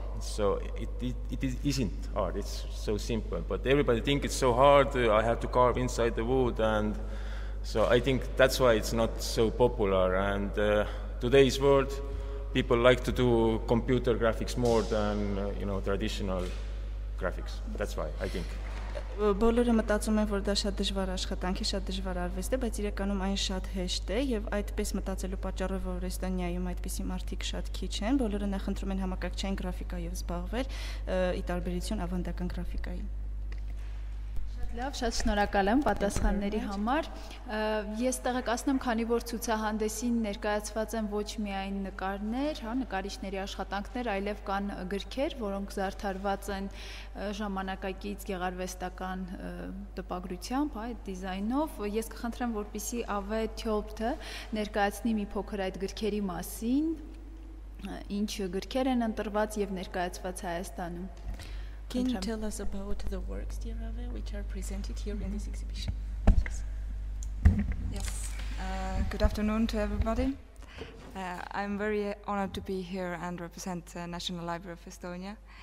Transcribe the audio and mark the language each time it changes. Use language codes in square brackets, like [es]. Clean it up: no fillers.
[en] So it isn't hard. It's so simple. But everybody think it's so hard. I have to carve inside the wood, and so I think that's why it's not so popular. And today's world, people like to do computer graphics more than traditional graphics. That's why I think. [hy] Բոլորը մտածում են, որ դա շատ դժվար աշխատանք է, շատ դժվար արվեստ է, բայց իրականում այն շատ հեշտ է, եւ այդպես մտածելու պատճառով որ Էստոնիայում այդպիսի մարդիկ շատ քիչ են, բոլորը նախընտրում են համակարգչային գրաֆիկայով զբաղվել՝ ի տարբերություն ավանդական գրաֆիկային։ Լավ, շատ շնորհակալ եմ պատասխանների համար։ Ես տեղեկացնեմ, քանի որ ցուցահանդեսին ներկայացված են ոչ միայն նկարներ, հա, նկարիչների աշխատանքներ, այլև կան գրքեր, որոնք զարդարված են ժամանակակից գեղարվեստական տպագրությամբ, հա, դիզայնով։ Ես կխնդրեմ, որպեսզի Ավե Թյոբթը ներկայացնի մի փոքր այդ գրքերի մասին, ինչ գրքեր են ընտրված եւ ներկայացված Հայաստանում։ [en] Can you tell us about the works, dear Ave, which are presented here in this exhibition? Yes. Good afternoon to everybody. I'm very honored to be here and represent the National Library of Estonia.